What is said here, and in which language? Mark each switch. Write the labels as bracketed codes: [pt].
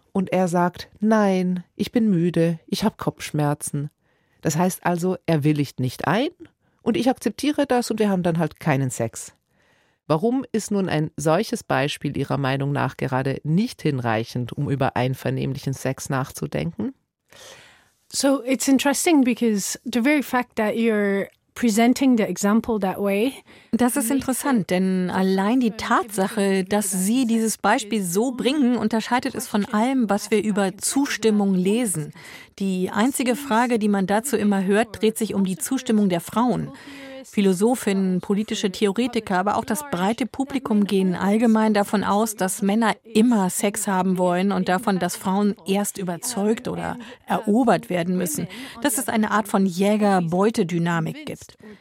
[de] Und er sagt, nein, ich bin müde, ich habe Kopfschmerzen. Das heißt also, er willigt nicht ein. Und ich akzeptiere das und wir haben dann halt keinen Sex. Warum ist nun ein solches Beispiel Ihrer Meinung nach gerade nicht hinreichend, um über einvernehmlichen Sex nachzudenken? [en] So, it's interesting because the very fact that you're presenting the example that way. [de] Das ist interessant, denn allein die Tatsache, dass Sie dieses Beispiel so bringen, unterscheidet es von allem, was wir über Zustimmung lesen. Die einzige Frage, die man dazu immer hört, dreht sich um die Zustimmung der Frauen. Philosophinnen, politische Theoretiker, aber auch das breite Publikum gehen allgemein davon aus, dass Männer immer Sex haben wollen und davon, dass Frauen erst überzeugt oder erobert werden müssen, dass es eine Art von Jäger-Beute-Dynamik gibt.